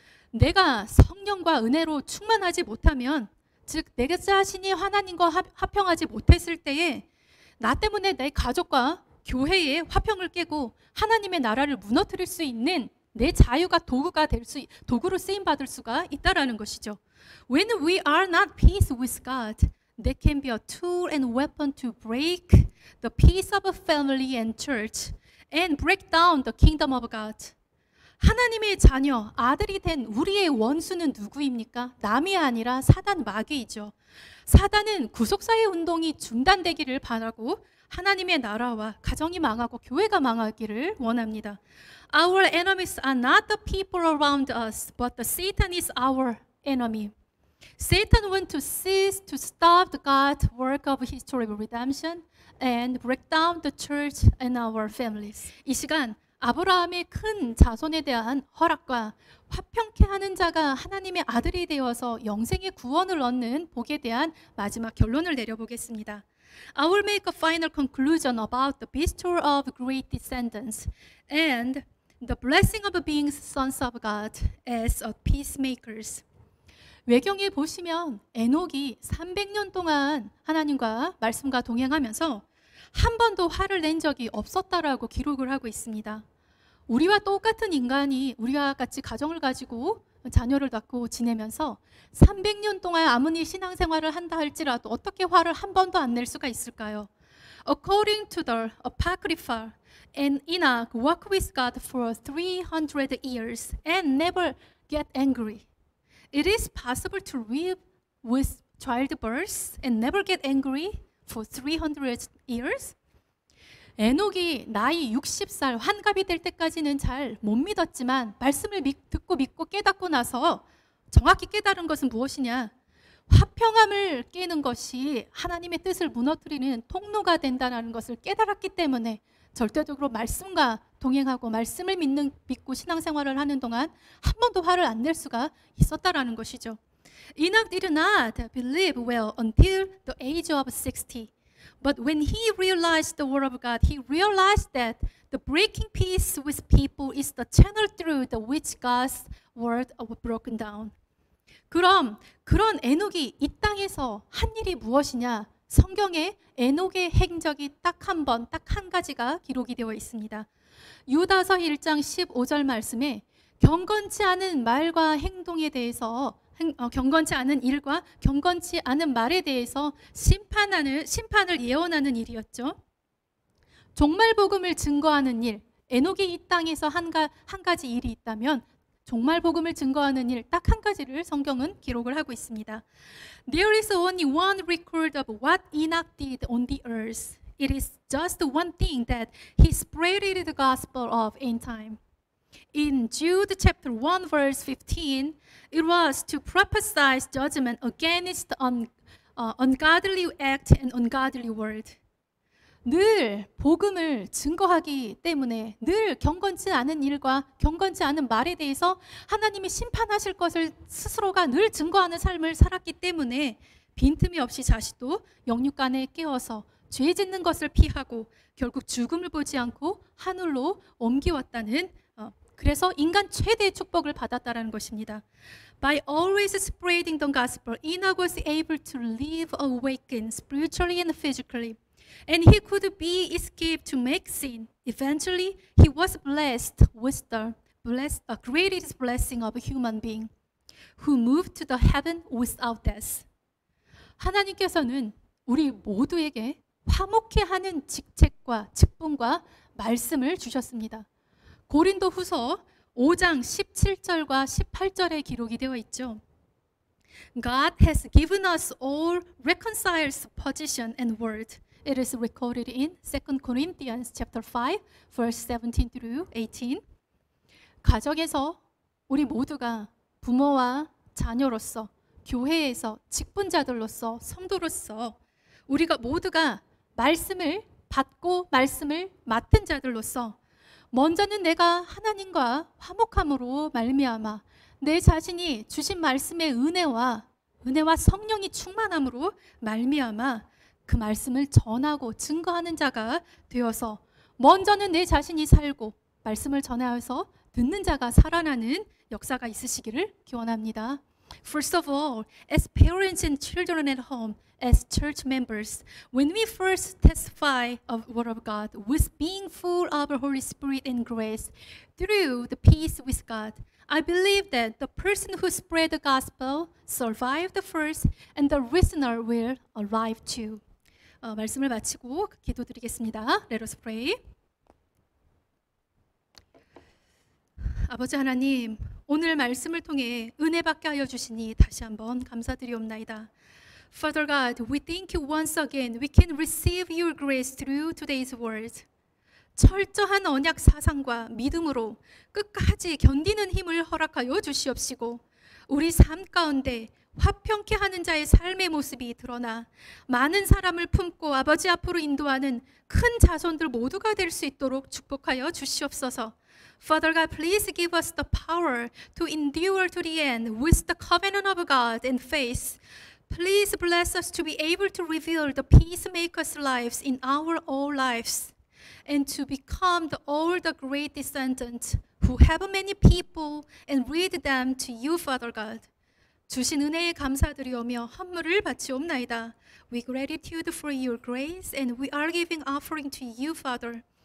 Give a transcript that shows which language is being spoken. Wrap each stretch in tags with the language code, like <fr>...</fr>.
<ko>내가 성령과 은혜로 충만하지 못하면, 즉 내 자신이 하나님과 화평하지 못했을 때에 나 때문에 내 가족과 교회의 화평을 깨고 하나님의 나라를 무너뜨릴 수 있는 내 자유가 도구가 될 수, 도구로 쓰임받을 수가 있다라는 것이죠.</ko> <en>When we are not peace with God, there can be a tool and weapon to break the peace of a family and church and break down the kingdom of God.</en> <ko>하나님의 자녀, 아들이 된 우리의 원수는 누구입니까? 남이 아니라 사단 마귀이죠. 사단은 구속사의 운동이 중단되기를 바라고 하나님의 나라와 가정이 망하고 교회가 망하기를 원합니다.</ko> <en>Our enemies are not the people around us, but the Satan is our enemy. Satan wants to cease to stop God's work of historical redemption and break down the church and our families.</en> <ko>이 시간 아브라함의 큰 자손에 대한 허락과 화평케 하는 자가 하나님의 아들이 되어서 영생의 구원을 얻는 복에 대한 마지막 결론을 내려보겠습니다.</ko> <en>I will make a final conclusion about the bestowal of great descendants and the blessing of being sons of God as a peacemakers.</en> <ko>외경에 보시면 에녹이 300년 동안 하나님과 말씀과 동행하면서 한 번도 화를 낸 적이 없었다라고 기록을 하고 있습니다. 우리와 똑같은 인간이 우리와 같이 가정을 가지고 자녀를 낳고 지내면서 300년 동안 아무리 신앙생활을 한다 할지라도 어떻게 화를 한 번도 안 낼 수가 있을까요?</ko> <en>According to the Apocrypha, Enoch walked with God for 300 years and never get angry. It is possible to live with childbirth and never get angry for 300 years?</en> <ko>에녹이 나이 60살 환갑이 될 때까지는 잘 못 믿었지만 말씀을 듣고 믿고 깨닫고 나서 정확히 깨달은 것은 무엇이냐? 화평함을 깨는 것이 하나님의 뜻을 무너뜨리는 통로가 된다는 것을 깨달았기 때문에 절대적으로 말씀과 동행하고 말씀을 믿는 믿고 신앙생활을 하는 동안 한 번도 화를 안 낼 수가 있었다라는 것이죠.</ko> <en>Enoch did not believe well until the age of 60. But when he realized the word of God, he realized that the breaking peace with people is the channel through the which God's word was broken down.</en> <ko>그럼 그런 에녹이 이 땅에서 한 일이 무엇이냐? 성경에 에녹의 행적이 딱 한 번, 딱 한 가지가 기록이 되어 있습니다. 유다서 1장 15절 말씀에 경건치 않은 말과 행동에 대해서 경건치 않은 일과 경건치 않은 말에 대해서 심판을 예언하는 일이었죠. 종말 복음을 증거하는 일, 에녹이 이 땅에서 한 가지 일이 있다면 종말 복음을 증거하는 일 딱 한 가지를 성경은 기록을 하고 있습니다.</ko> <en>There is only one record of what Enoch did on the earth. It is just one thing that he spread the gospel of in time. In Jude chapter 1 verse 15, it was to prophesy judgment against ungodly act and ungodly word.</en> <ko>늘 복음을 증거하기 때문에 늘 경건치 않은 일과 경건치 않은 말에 대해서 하나님이 심판하실 것을 스스로가 늘 증거하는 삶을 살았기 때문에 빈틈이 없이 자신도 영육간에 깨어서 죄 짓는 것을 피하고 결국 죽음을 보지 않고 하늘로 옮기었다는 그래서 인간 최대의 축복을 받았다라는 것입니다.</ko> <en>By always spreading the gospel, Enoch was able to live awakened spiritually and physically. And he could be escaped to make sin. Eventually, he was blessed with the greatest blessing of a human being who moved to the heaven without death.</en> <ko>하나님께서는 우리 모두에게 화목해 하는 직책과 직분과 말씀을 주셨습니다. 고린도 후서 5장 17절과 18절에 기록이 되어 있죠.</ko> <en>God has given us all reconciled position and word. It is recorded in 2 Corinthians chapter 5, verse 17 through 18.</en> <ko>가정에서 우리 모두가 부모와 자녀로서, 교회에서 직분자들로서, 성도로서 우리가 모두가 말씀을 받고 말씀을 맡은 자들로서 먼저는 내가 하나님과 화목함으로 말미암아 내 자신이 주신 말씀의 은혜와 성령이 충만함으로 말미암아 그 말씀을 전하고 증거하는 자가 되어서 먼저는 내 자신이 살고 말씀을 전하여서 듣는 자가 살아나는 역사가 있으시기를 기원합니다.</ko> <en>First of all, as parents and children at home, as church members, when we first testify of the word of God with being full of the Holy Spirit and grace through the peace with God, I believe that the person who spread the gospel survived the first and the listener will arrive too.</en> <ko>말씀을 마치고 기도드리겠습니다.</ko> <en>Let us pray.</en> <ko>아버지 하나님, 오늘 말씀을 통해 은혜받게 하여 주시니 다시 한번 감사드리옵나이다.</ko> <en>Father God, we thank you once again. We can receive your grace through today's word.</en> <ko>철저한 언약 사상과 믿음으로 끝까지 견디는 힘을 허락하여 주시옵시고 우리 삶 가운데 화평케 하는 자의 삶의 모습이 드러나 많은 사람을 품고 아버지 앞으로 인도하는 큰 자손들 모두가 될 수 있도록 축복하여 주시옵소서.</ko> <en>Father God, please give us the power to endure to the end with the covenant of God and faith. Please bless us to be able to reveal the peacemaker's lives in our own lives and to become all the great descendants who have many people and read them to you, Father God.</en> <ko>주신 은혜에 감사드리오며 헌물을 바치옵나이다.</ko> <en>We gratitude for your grace and we are giving offering to you, Father.</en>